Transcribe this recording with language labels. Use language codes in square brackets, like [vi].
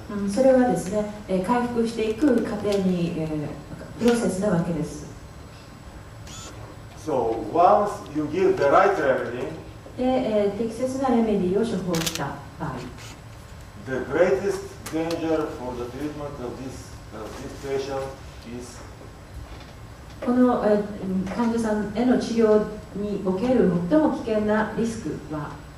[ja] それはですね、回復していく過程に、プロセスなわけです。 [en] So, once you give the right remedy, [ja] で、適切なレメディを処方した場合、 [en] The greatest danger for the treatment of this patient is [ja] この、患者さんへの治療における最も危険なリスクは、